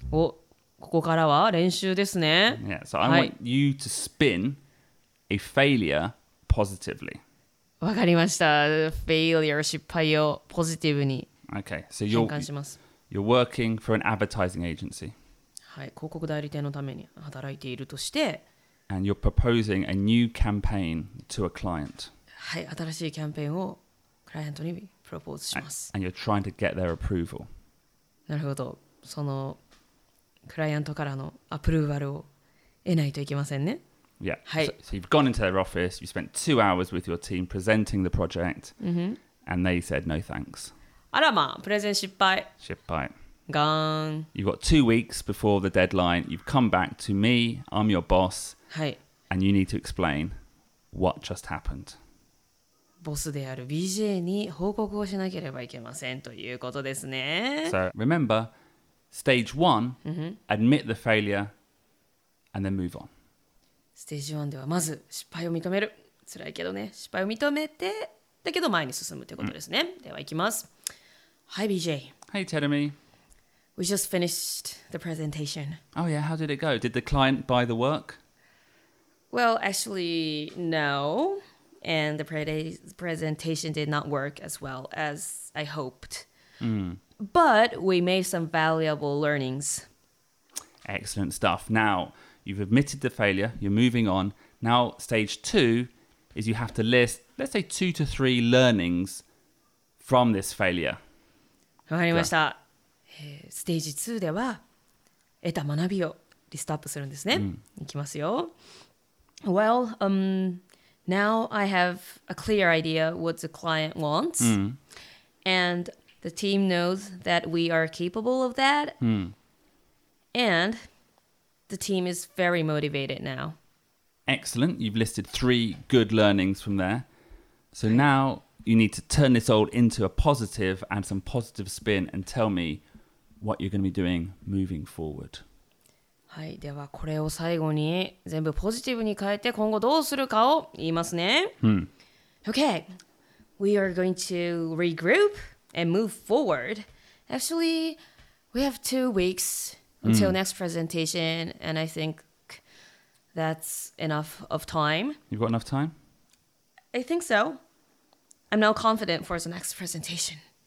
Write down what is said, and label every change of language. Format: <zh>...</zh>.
<ja>Oh, ここからは練習ですね。</ja> <en>Yeah, so I want you to spin a failure positively.</en> <ja>わかりました。Failure, 失敗をポジティブに変換します。</ja> <en>Okay, so you're working for an advertising agency.</en> <ja>はい、広告代理店のために働いているとして。</ja> <en>And you're proposing a new campaign to a client.</en> <ja>はい、新しいキャンペーンをクライアントにプロポーズします。</ja> <en>And you're trying to get their approval.</en> <ja>なるほど。そのクライアントからのアプローバルを得ないといけませんね。</ja> <en>Yeah.</en> <ja>はい。</ja> <en>So you've gone into their office, you spent 2 hours with your team presenting the project, and they said no thanks.</en> <ja>あらまあ、プレゼン失敗。失敗。ガーン。</ja> <en>You've got 2 weeks before the deadline, you've come back to me, I'm your boss, and you need to explain what just happened.</en> <ja>ボスである BJ に報告をしなければいけませんということですね。</ja> <en>So remember, stage one, admit the failure, and then move on.</en> <ja>ステージ1ではまず失敗を認める。辛いけどね、失敗を認めて、だけど前に進むということですね。ではいきます。</ja> <en>Hi BJ. Hey Terumi. We just finished the presentation. Oh yeah, how did it go? Did the client buy the work? Well, actually, no. And the presentation did not work as well as I hoped. But we made some valuable learnings. Excellent stuff. Now, you've admitted the failure. You're moving on. Now, stage two is you have to list, let's say, 2 to 3 learnings from this failure.</en> <ja>わかりました、ステージ2では得た学びをリストアップするんですね、うん、いきますよ。</ja> <en>Well, now I have a clear idea what the client wants、うん、and the team knows that we are capable of that、うん、 and the team is very motivated now. Excellent. You've listed three good learnings from there. So now you need to turn this all into a positive and some positive spin and tell me what you're going to be doing moving forward.</en> <ja>はい、ではこれを最後に全部ポジティブに変えて今後どうするかを言いますね、 hmm.</ja> <en>OK We are going to regroup and move forward. Actually, we have 2 weeks until、mm. next presentation and I think that's enough of time. You've got enough time? I think so. I'm now confident for the next presentation.</en>